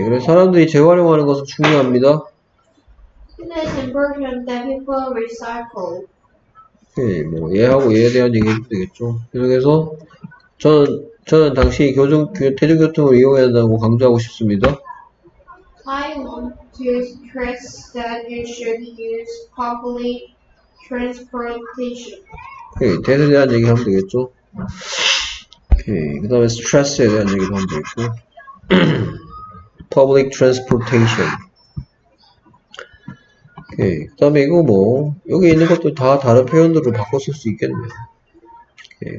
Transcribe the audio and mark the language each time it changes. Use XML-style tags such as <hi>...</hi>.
<ko>그래서 사람들이 재활용하는 것은 중요합니다.</ko> <en>It's important that people recycle.</en> <ko>오케이. 뭐 얘하고 얘에 대한 얘기도 되겠죠. 계속해서 저는 당신이 대중교통을 이용해야 한다고 강조하고 싶습니다.</ko> <en>I want to stress that you should use public transportation.</en> <ko>오케이. 대세에 대한 얘기 하면 되겠죠. 오케이. 그 다음에 스트레스에 대한 얘기도 하면 되겠고.</ko> <en>Public transportation.</en> <ko>오케이. 그 다음에 이거 뭐, 여기 있는 것도 다 다른 표현들로 바꿔 쓸수 있겠네요. 오케이.</ko>